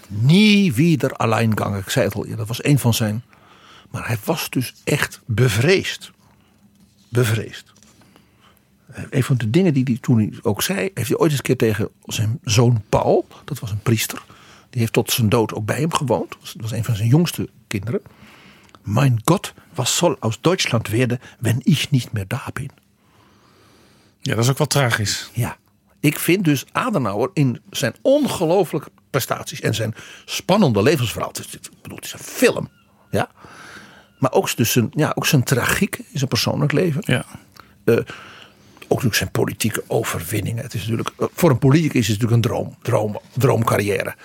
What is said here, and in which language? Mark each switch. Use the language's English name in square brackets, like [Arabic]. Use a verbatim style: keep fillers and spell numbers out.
[German] Nie wieder alleingang, [Dutch] ik zei het al eerder, dat was een van zijn. Maar hij was dus echt bevreesd. Bevreesd. Een van de dingen die hij toen ook zei, heeft hij ooit eens een keer tegen zijn zoon Paul, dat was een priester, Die heeft tot zijn dood ook bij hem gewoond. Dat was een van zijn jongste kinderen. [German] Mein Gott, was soll aus Deutschland werden, wenn ich nicht mehr da bin? [Dutch] Ja, dat is ook wel tragisch. Ja, ik vind dus Adenauer in zijn ongelooflijke prestaties en zijn spannende levensverhaal. Ik bedoel, het is een film. Ja. Maar ook, dus zijn, ja, ook zijn tragiek in zijn persoonlijk leven. Ja. Uh, ook natuurlijk zijn politieke overwinningen. Het is natuurlijk, uh, voor een politicus is het natuurlijk een droom, droom, droomcarrière.